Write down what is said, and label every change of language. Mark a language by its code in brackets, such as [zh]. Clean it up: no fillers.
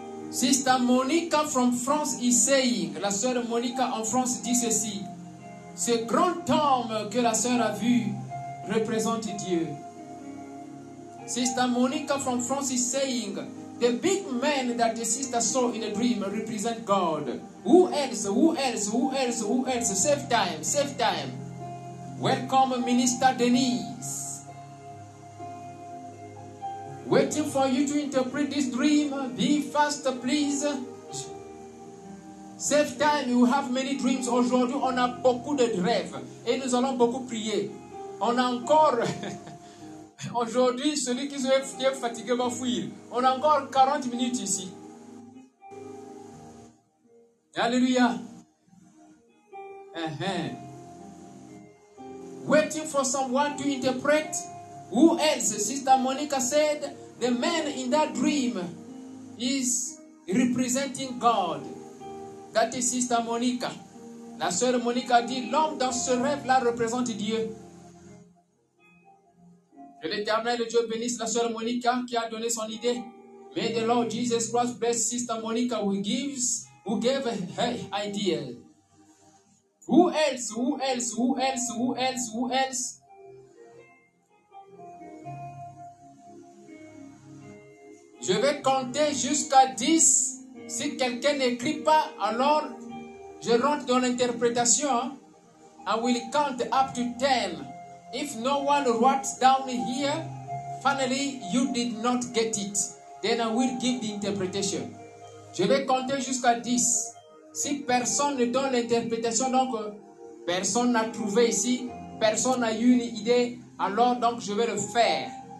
[en] Sister Monica from France is saying, [fr] la sœur Monica en France dit ceci, ce grand homme que la sœur a vu représente Dieu. [en] Sister Monica from France is saying, the big man that the sister saw in a dream represent God. Who else, who else, who else, who else? Save time, save time. Welcome, Minister Denise. Waiting for you to interpret this dream. Be fast, please. Save time. You have many dreams. [fr] Aujourd'hui, on a beaucoup de rêves. Et nous allons beaucoup prier. On a encore... Aujourd'hui, celui qui est fatigué va fuir. On a encore 40 minutes ici. Alléluia. [en] Waiting for someone to interpret. Who else? Sister Monica said, the man in that dream is representing God. That is Sister Monica. [fr] La sœur Monica dit, l'homme dans ce rêve-là représente Dieu. Que l'Éternel Dieu bénisse la sœur Monica qui a donné son idée. [en] May the Lord Jesus Christ bless Sister Monica who gave her idea. Who else? Who else? Who else? Who else? Who else? [fr] Je vais compter jusqu'à 10. Si quelqu'un n'écrit pas, alors je rentre dans l'interprétation. [en] I will count up to 10. If no one writes down here, finally you did not get it. Then I will give the interpretation. [fr] Je vais compter jusqu'à 10. Si personne ne donne l'interprétation, donc personne n'a trouvé ici, personne n'a eu une idée, alors donc je vais le faire.